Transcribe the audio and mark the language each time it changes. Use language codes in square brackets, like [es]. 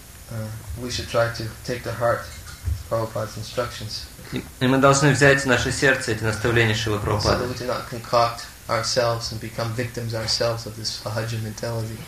[en] And we should try to take to heart Prabhupada's instructions. [ru] И мы должны взять в наше сердце эти наставления Шрилы Прабхупады. [en] So that we do not concoct ourselves and become victims ourselves of this sahaja mentality.